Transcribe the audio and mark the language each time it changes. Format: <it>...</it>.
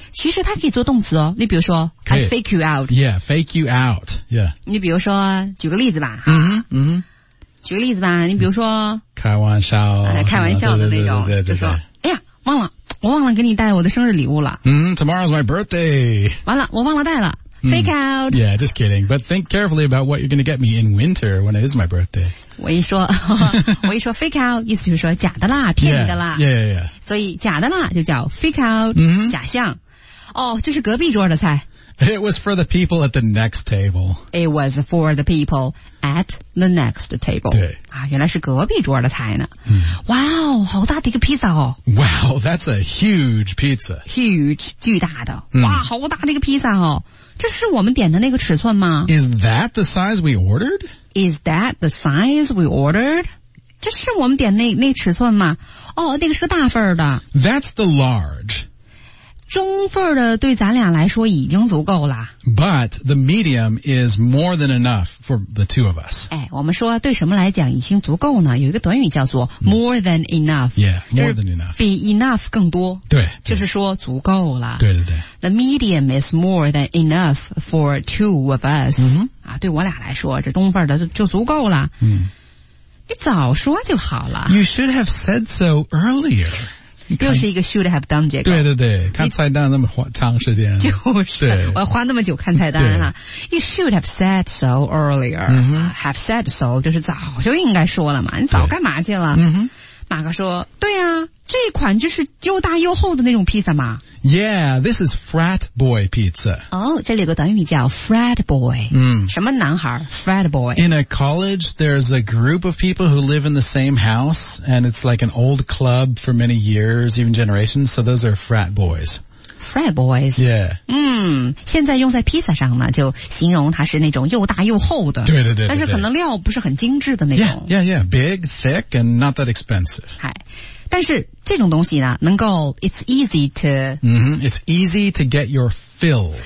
<zh>其实它可以做动词哦你比如说</zh> <en>I fake you out Yeah fake you out、yeah.</en> <zh>你比如说举个例子吧嗯嗯、 mm-hmm. mm-hmm. 举个例子吧你比如说开玩笑、开玩笑的那种对对对对对就说哎呀我忘了给你带我的生日礼物了嗯</zh> <en>tomorrow's my birthday</en> <zh>完了我忘了带了、嗯、fake out</zh> <en>yeah just kidding but think carefully about what you're going to get me in winter when it is my birthday</en> <zh>我一说 fake out 意思就是说假的啦骗你的啦</zh> <en>yeah, yeah, yeah, yeah.</en> <zh>所以假的啦就叫 fake out、 mm-hmm. 假象哦就是隔壁桌的菜</zh> <en>It was for the people at the next table. It was for the people at the next table.</en> <zh>对。啊原来是隔壁桌的菜呢。嗯。哇哦好大的一个披萨哦。</zh> <en>Wow, that's a huge pizza.</en> <zh>Huge, 巨大的。哇好大的一个披萨哦。这是我们点的那个尺寸吗</zh> <en>?Is that the size we ordered? Is that the size we ordered?</en> <zh>这是我们点那尺寸吗？哦，那个是个大份的。</zh> <en>That's the large.</en> <zh>中份的对咱俩来说已经足够了。</zh> <en>But the medium is more than enough for the two of us.</en> <zh>哎，我们说对什么来讲已经足够呢？有一个短语叫做 more than enough.</zh> <en>Yeah, more than enough.</en> <zh>比 enough 更多。对。就是说足够了。对对对。</zh> <en>The medium is more than enough for two of us.、 Mm-hmm.</en> <zh>啊，对我俩来说，这中份的就足够了。嗯。你早说就好了。</zh> <en>You should have said so earlier.</en> <zh>又是一个 should have done 这个。对对对，看菜单那么长时间。就是，我要花那么久看菜单啊。</zh> <en>You should have said so earlier.、 Mm-hmm.</en> <zh>Have said so 就是早就应该说了嘛，你早干嘛去了？嗯哼。马哥说，对啊，这款就是又大又厚的那种披萨嘛。</zh> <en>Yeah, this is frat boy pizza.</en> <zh>哦、oh, 这里有个短语叫 frat boy.、 Mm. 什么男孩 frat boy?</zh> <en>In a college, there's a group of people who live in the same house, and it's like an old club for many years, even generations, so those are frat boys. Frat boys. Yeah.</en> <zh>现在用在披萨上呢就形容它是那种又大又厚的。对对 对, 对, 对。但是可能料不是很精致的那种。</zh> <en>Yeah, yeah, yeah. Big, thick, and not that expensive.</en> <zh>嗨。但是这种东西呢能够</zh> <en>it's easy to,、 mm-hmm. it's easy to get your fill.</en>